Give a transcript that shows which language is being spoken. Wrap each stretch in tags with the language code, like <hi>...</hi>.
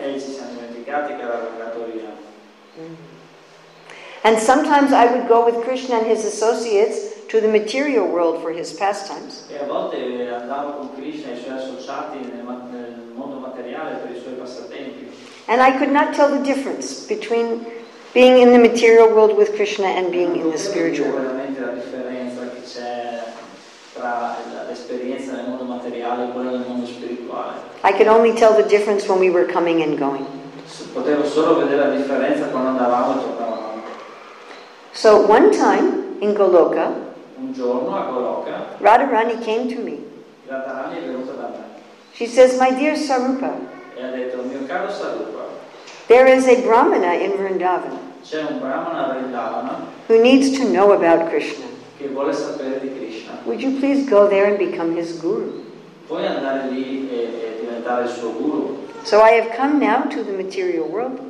<it>E ci siamo dimenticati che era tornato via.</it> <en>And sometimes I would go with Krishna and his associates to the material world for his pastimes.</en> <it>E a volte andavo con Krishna e i suoi associati nel mondo materiale per i suoi passatempi.</it> <en>And I could not tell the difference between being in the material world with Krishna and being in the spiritual world.</en> <it>Non potevo dire veramente la differenza che c'è tra l'esperienza nel mondo materiale e quella nel mondo spirituale.</it> <en>I could only tell the difference when we were coming and going.</en> <it>Potevo solo vedere la differenza quando andavamo e tornavamo.</it> <en>So one time in Goloka,</en> <it>un giorno a Goloka,</it> <en>Radharani came to me.</en> <it>Radharani è venuta da me.</it> <en>She says, "My dear Sarupa."</en> <it>E ha detto, mio caro Sarupa.</it> <en>There is a Brahmana in Vrindavan.</en> <it>C'è un Brahmana a Vrindavana.</it> <en>Who needs to know about Krishna?</en> <it>Che vuole sapere di Krishna.</it> <en>Would you please go there and become his guru?</en> <it>Puoi andare lì e diventare il suo guru.</it> <en>So I have come now to the material world.</en>